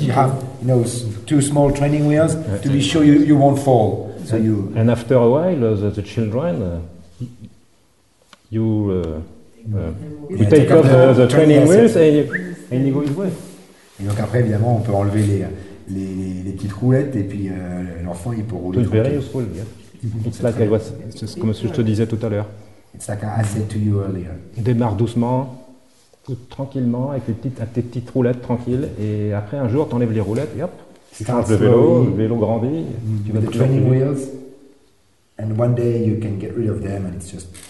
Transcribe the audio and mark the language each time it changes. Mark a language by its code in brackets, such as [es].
[en] You have, you know, two small training wheels yes. to be sure you won't fall. So you. And after a while, the children, you you yeah, take off the training wheels and you go his way. [fr] Et donc après, évidemment, on peut enlever les petites roulettes et puis l'enfant il peut rouler. [en] It's very useful. Yeah. It's like I was, [fr] c'est comme je te disais tout à l'heure. [en] It's like I said to you earlier. [fr] Démarre doucement. Tranquillement avec tes petites roulettes tranquilles et après un jour t'enlèves les roulettes et hop [en] start [fr] le vélo grandit tu vas [en] training wheels and one day you can get rid of them and it's just